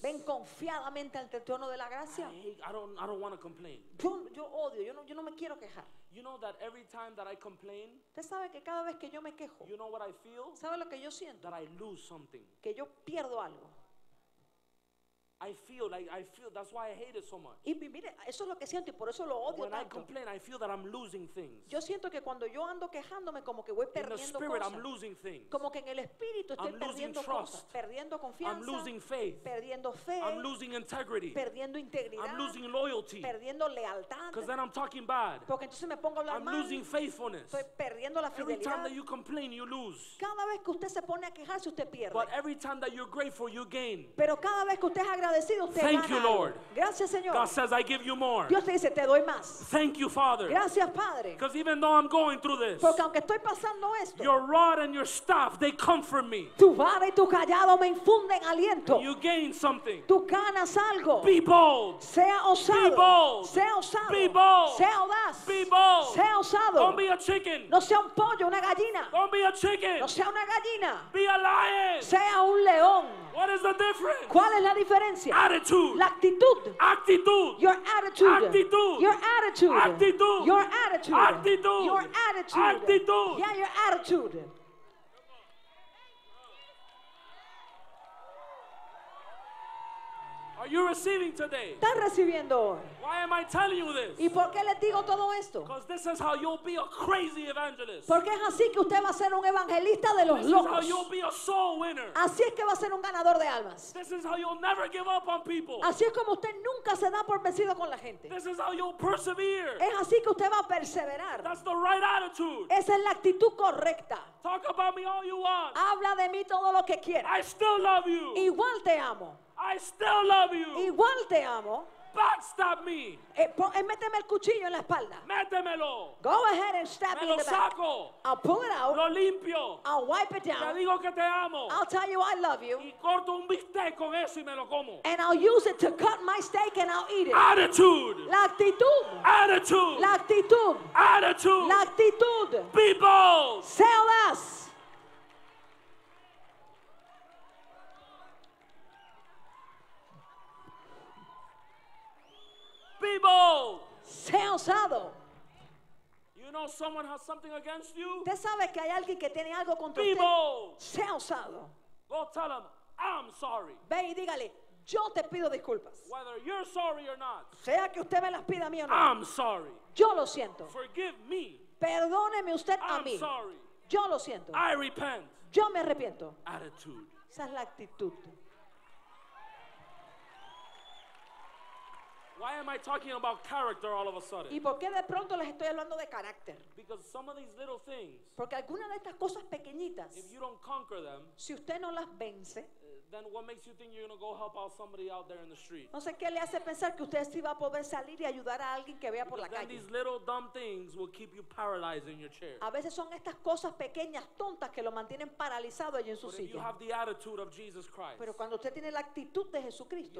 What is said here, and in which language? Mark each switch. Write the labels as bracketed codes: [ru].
[es] Ven confiadamente ante el trono de la gracia. [en] I don't want to complain. [es] Yo odio, yo no me quiero quejar. [en] You know that every time that I complain, [es] usted sabe que cada vez que yo me quejo, [en] you know what I feel? [es] ¿Sabe lo que yo siento? [en] That I lose something. [es] Que yo pierdo algo. [en] I feel that's why I hate it so much. [es] Y mire, eso es lo que siento y por eso lo odio tanto. [en] When I complain, I feel that I'm losing things. [es] Yo siento que cuando yo ando quejándome como que voy perdiendo cosas. [en] In the spirit, I'm losing things. [es] Como que en el espíritu estoy perdiendo [en] trust. [es] Cosas, perdiendo confianza. [en] I'm losing faith. [es] Perdiendo fe. [en] I'm losing integrity. [es] Perdiendo integridad. [en] I'm losing loyalty. [es] Perdiendo lealtad. [en] Because then I'm talking bad. [es] Porque entonces me pongo a hablar mal. [en] I'm losing faithfulness. [es] Estoy perdiendo la fidelidad. [en] Every time that you complain, you lose. [es] Cada vez que usted se pone a quejarse, usted pierde. [en] But every time that you're grateful, you gain. [es] Pero cada vez que usted es agradecido, [en] thank you, Lord. [es] Gracias, Señor. [en] God says, I give you more. [es] Dios te dice, te doy más. [en] Thank you, Father. [es] Gracias, Padre. [en] Because even though I'm going through this, [es] porque aunque estoy pasando esto, [en] your rod and your staff, they comfort me. [es] Tu vara y tu callado me infunden aliento. [en] You gain something. [es] Tú ganas algo. [en] Be bold. [es] Sea osado. [en] Be bold. [es] Sea osado. [en] Be bold. [es] Sea audaz. [en] Be bold. [es] Sea osado. [en] Don't be a chicken. [es] No sea un pollo, una gallina. [en] Don't be a chicken. [es] No sea una gallina. [en] Be a lion. [es] Sea un león. [en] What is the difference? [es] ¿Cuál es la diferencia? [en] Attitude. [es] La actitud. Actitude. [en] Your attitude. [es] Actitude. [en] Your attitude. [es] Actitude. [en] Your attitude. [es] Actitude. [en] Your attitude. [es] Actitude. [en] Yeah, your attitude. Are you receiving today? [es] ¿Estás recibiendo hoy? [en] Why am I telling you this? [es] ¿Y por qué le digo todo esto? [en] Because this is how you'll be a crazy evangelist. [es] Porque es así que usted va a ser un evangelista de los locos. [en] This is how you'll be a soul winner. [es] Así es que va a ser un ganador de almas. [en] This is how you'll never give up on people. [es] Así es como usted nunca se da por vencido con la gente. [en] This is how you'll persevere. [es] Es así que usted va a perseverar. [en] That's the right attitude. [es] Esa es la actitud correcta. [en] Talk about me all you want. [es] Habla de mí todo lo que quiera. [en] I still love you. [es] Igual te amo. [en] I still love you. [es] Igual te amo. [en] Backstab me. [es] Méteme el cuchillo en la espalda. Métemelo. [en] Go ahead and stab me in the back. [es] Me lo saco. [en] I'll pull it out. [es] Lo limpio. [en] I'll wipe it down. [es] Te digo que te amo. [en] I'll tell you I love you. [es] Y corto un bistec con eso y me lo como. [en] And I'll use it to cut my steak and I'll eat it. Attitude. [es] La actitud. [en] Attitude. [es] La actitud. [en] Attitude. [es] La actitud. [en] Be bold. [es] Sell us. [en] You know someone has something against you? [es] ¿Usted sabe que hay alguien que tiene algo contra usted? Sea osado. [en] Go tell him, I'm sorry. [es] Ve y dígale, yo te pido disculpas. [en] Whether you're sorry or not. [es] Sea que usted me las pida a mí o no. [en] I'm sorry. [es] Yo lo siento. [en] Forgive me. [es] Perdóneme usted a mí. [en] I'm sorry. [es] Yo lo siento. [en] I repent. [es] Yo me arrepiento. [en] Attitude. [es] Esa es la actitud. [en] Why am I talking about character all of a sudden? [es] ¿Y por qué de pronto les estoy hablando de carácter? [en] Because some of these little things. [es] Porque algunas de estas cosas pequeñitas. [en] If you don't conquer them. [es] Si usted no las vence. [en] Then what makes you think you're going to go help out somebody out there in the street? [es] No sé qué le hace pensar que usted sí va a poder salir y ayudar a alguien que vea por la calle. [en] These little dumb things will keep you paralyzed in your chair. [es] A veces son estas cosas pequeñas tontas que lo mantienen paralizado allí en su silla. [en] You have the attitude of Jesus Christ. [es] Pero cuando usted tiene la actitud de Jesucristo.